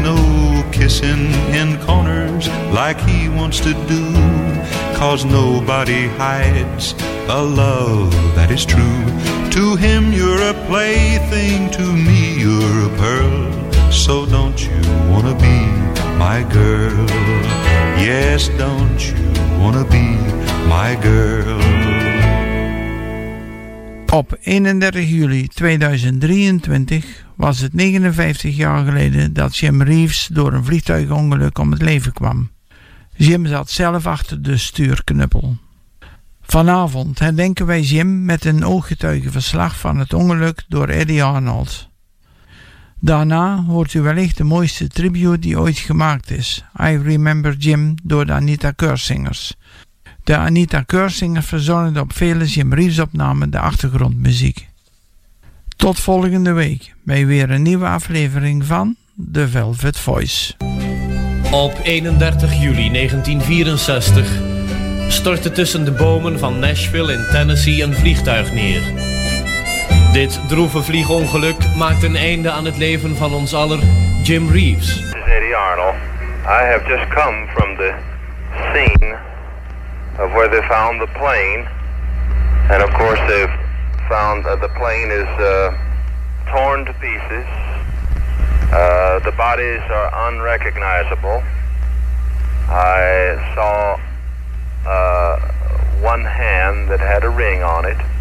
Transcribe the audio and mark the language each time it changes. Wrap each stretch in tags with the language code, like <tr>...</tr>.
<en>No kissing in corners like he wants to do, 'cause nobody hides a love that is true. To him you're a plaything, to me you're a pearl. So don't you wanna be my girl? Yes, don't you wanna be my girl?</en> <nl>Op 31 juli 2023 was het 59 jaar geleden dat Jim Reeves door een vliegtuigongeluk om het leven kwam. Jim zat zelf achter de stuurknuppel. Vanavond herdenken wij Jim met een ooggetuigenverslag van het ongeluk door Eddie Arnold. Daarna hoort u wellicht de mooiste tribute die ooit gemaakt is, I Remember Jim, door de Anita Kersingers. De Anita Kersingers verzorgde op vele Jim Reeves opnamen de achtergrondmuziek. Tot volgende week bij weer een nieuwe aflevering van The Velvet Voice. Op 31 juli 1964 stortte tussen de bomen van Nashville in Tennessee een vliegtuig neer. Dit droeve vliegongeluk maakt een einde aan het leven van ons aller, Jim Reeves.</nl> <en>This is Eddie Arnold. I have just come from the scene of where they found the plane. And of course they've found that the plane is torn to pieces. The bodies are unrecognizable. I saw one hand that had a ring on it.</en>